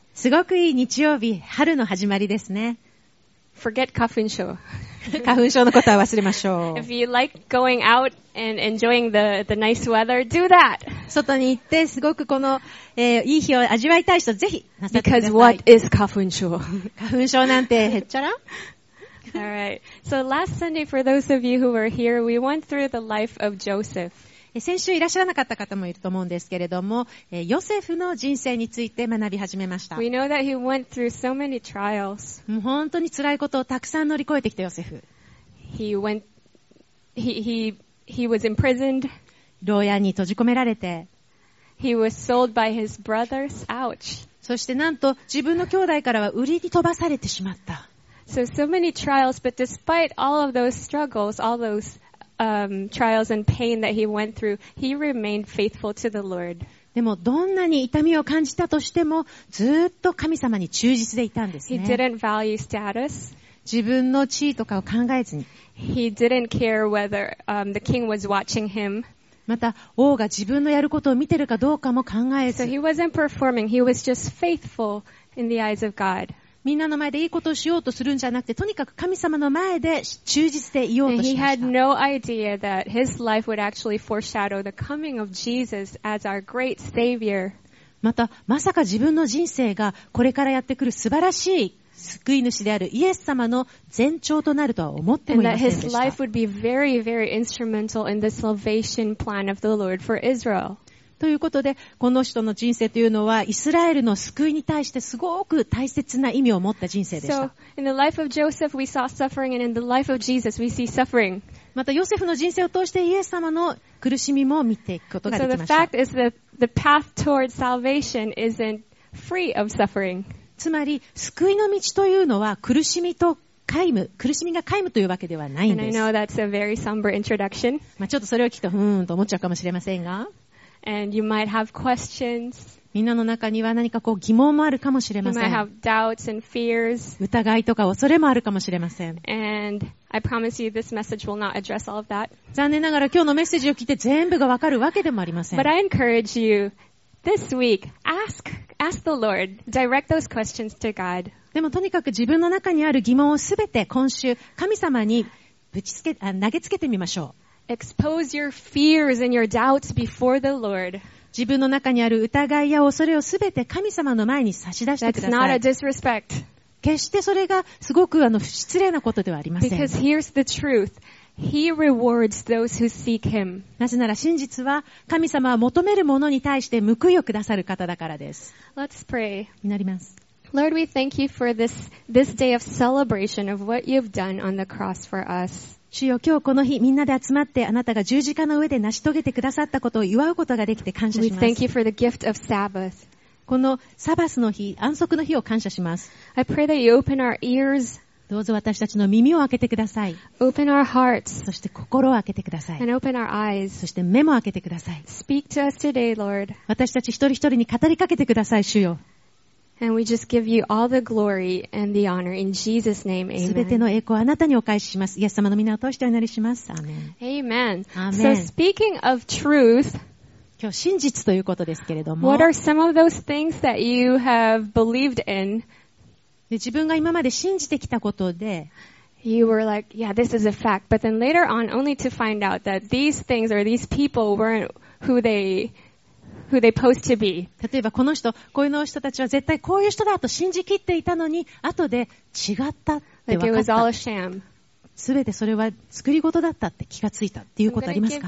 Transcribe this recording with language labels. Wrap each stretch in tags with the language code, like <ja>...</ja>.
<ja>すごくいい日曜日、春の始まりですね。</ja> <en>Forget 花粉症。</en> <ja>花粉症のことは忘れましょう。</ja> <en>If you like going out and enjoying the nice weather, do that.</en> <ja>外に行ってすごくこの、いい日を味わいたい人、ぜひなさってください。</ja> <en>Because what is 花粉症?</en> <ja>花粉症なんてへっちゃら?</ja> <en>All right. So last Sunday, for those of you who were here, we went through the life of Joseph.</en> <ja>先週いらっしゃらなかった方もいると思うんですけれども、ヨセフの人生について学び始めました。</ja> <en>We know that he went through so many trials.</en> <ja>もう本当に辛いことをたくさん乗り越えてきたヨセフ。</ja> <en>He was imprisoned.</en> <ja>牢屋に閉じ込められて。</ja> <en>He was sold by his brothers. Ouch.</en> <ja>そしてなんと自分の兄弟からは売りに飛ばされてしまった。</ja> <en>So many trials, but despite all of those struggles, all those trials and pain that he went through, he remained faithful to the Lord.</en> <ja>でもどんなに痛みを感じたとしても、ずっと神様に忠実でいたんですね。</ja> <en>He didn't value status.</en> <ja>自分の地位とかを考えずに。</ja> <en>He didn't care whether the king was watching him.</en> <ja>また王が自分のやることを見てるかどうかも考えず。</ja> <en>So he wasn't performing. He was just faithful in the eyes of God.</en> <ja>みんなの前でいいことをしようとするんじゃなくて、とにかく神様の前で忠実でいようとしました。</ja> <en>He had no idea that his life would actually foreshadow the coming of Jesus as our great Savior.</en> <ja>また、まさか自分の人生がこれからやってくる素晴らしい救い主であるイエス様の前兆となるとは思ってもいませんでした。</ja> <en>And that his life would be very, very instrumental in the salvation plan of the Lord for Israel.</en> <ja>ということで、この人の人生というのは、イスラエルの救いに対してすごく大切な意味を持った人生でした。</ja> <en>So, in the life of Joseph, we saw suffering, and in the life of Jesus, we see suffering.</en> <ja>また、ヨセフの人生を通して、イエス様の苦しみも見ていくことができました。</ja> <en>So, the fact is that the path towards salvation isn't free of suffering.</en> <ja>つまり、救いの道というのは、苦しみと皆無、苦しみが皆無というわけではないんです。</ja> <en>And I know that's a very somber introduction.</en> <ja>まあ、ちょっとそれを聞くと、ふーんと思っちゃうかもしれませんが、</ja> <en>And you might have questions.</en> <ja>みんなの中には何かこう疑問もあるかもしれません。</ja> <en>You might have doubts and fears.</en> <ja>疑いとか恐れもあるかもしれません。</ja> <en>And I promise you this message will not address all of that.</en> <ja>残念ながら今日のメッセージを聞いて全部がわかるわけでもありません。</ja> <en>But I encourage you this week, ask the Lord, direct those questions to God.</en> <ja>でもとにかく自分の中にある疑問をすべて今週神様にぶちつけ、投げつけてみましょう。</ja> <en>Expose your fears and your doubts before the Lord.</en> <ja>自分の中にある疑いや恐れをすべて神様の前に差し出してください。</ja> <en>That's not a disrespect.</en> <ja>決してそれがすごく失礼なことではありません。</ja> <en>Because here's the truth. He rewards those who seek him.</en> <ja>なぜなら真実は神様は求める者に対して報いをくださる方だからです。</ja> <en>Let's pray.</en> <ja>祈ります。</ja> <en>Lord, we thank you for this day of celebration of what you've done on the cross for us.</en> <ja>主よ、今日この日みんなで集まってあなたが十字架の上で成し遂げてくださったことを祝うことができて感謝します。</ja> <en>We thank you for the gift of Sabbath.</en> <ja>このサバスの日、安息の日を感謝します。</ja> <en>I pray that you open our ears.</en> <ja>どうぞ私たちの耳を開けてください。</ja> <en>Open our hearts.</en> <ja>そして心を開けてください。</ja> <en>And open our eyes.</en> <ja>そして目も開けてください。</ja> <en>Speak to us today, Lord.</en> <ja>私たち一人一人に語りかけてください、主よ。</ja> <en>And we just give you all the glory and the honor in Jesus' name. Amen.</en> <ja>すべての栄光をあなたにお返しします。イエス様の皆を通してお祈りします。</ja> <en>Amen. Amen. Amen. So speaking of truth,</en> <ja>今日真実ということですけれども、</ja> <en>What are some of those things that you have believed in?</en> <ja>で、自分が今まで信じてきたことで、</ja> <en>You were like, yeah, this is a fact. But then later on, only to find out that these things or these people weren't who they post to be.</en> <ja>例えばこの人、こういうの人たちは絶対こういう人だと信じきっていたのに、後で違ったって分かった。</ja> <en>Like it was all a sham.</en> <ja>全てそれは作り事だったって気がついたっていうことありますか?</ja>